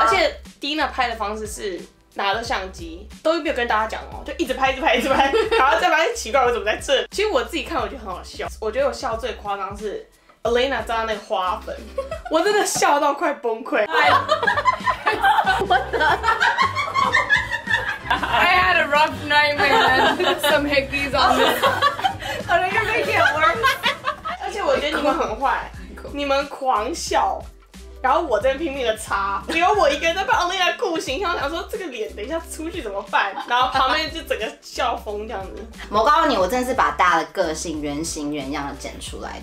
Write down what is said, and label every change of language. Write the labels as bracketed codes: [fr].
[zh] 而且 Dena 拍的方式是拿了相机，都没有跟大家讲哦、喔，就一直拍，一直拍，一直拍，然后再拍，奇怪，我怎么在这？其实我自己看，我觉得很好笑。我觉得我笑最夸张是 Elena 站在那个花粉，我真的笑到快崩溃。我的 [en] ，I had a rough nightmare and some hiccups on this. Oh, you're making it worse. [zh] 而且我觉得你们很坏，你们狂笑。然后我在拼命的擦，只有我一个人在帮 Elena 顾形象，想说这个脸等一下出去怎么办？然后旁边就整个笑疯这样子。我告诉你，我真的是把大的个性原形原样的剪出来。